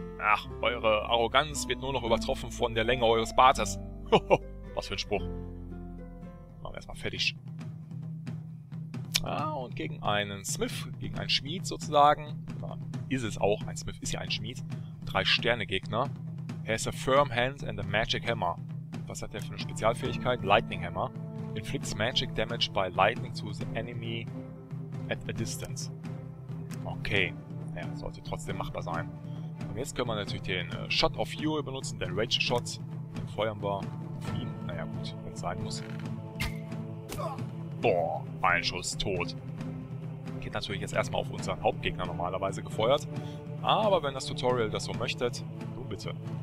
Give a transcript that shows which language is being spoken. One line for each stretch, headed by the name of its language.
German: Ach, eure Arroganz wird nur noch übertroffen von der Länge eures Bartes. Was für ein Spruch. Machen wir erstmal fertig. Ah, und gegen einen Smith, gegen einen Schmied sozusagen. Oder ist es auch, ein Smith ist ja ein Schmied. 3-Sterne-Gegner.
English: Has a firm hand and a magic hammer.
German: Was hat der für eine Spezialfähigkeit?
English: Lightning Hammer. Inflicts magic damage by lightning to the enemy at a distance. Okay.
German: Naja, sollte trotzdem machbar sein. Und jetzt können wir natürlich den Shot of Fury benutzen, den Rage Shot. Den feuern wir auf ihn. Naja, gut, wenn es sein muss. Boah, ein Schuss tot. Geht natürlich jetzt erstmal auf unseren Hauptgegner normalerweise gefeuert. Aber wenn das Tutorial das so möchtet, du bitte.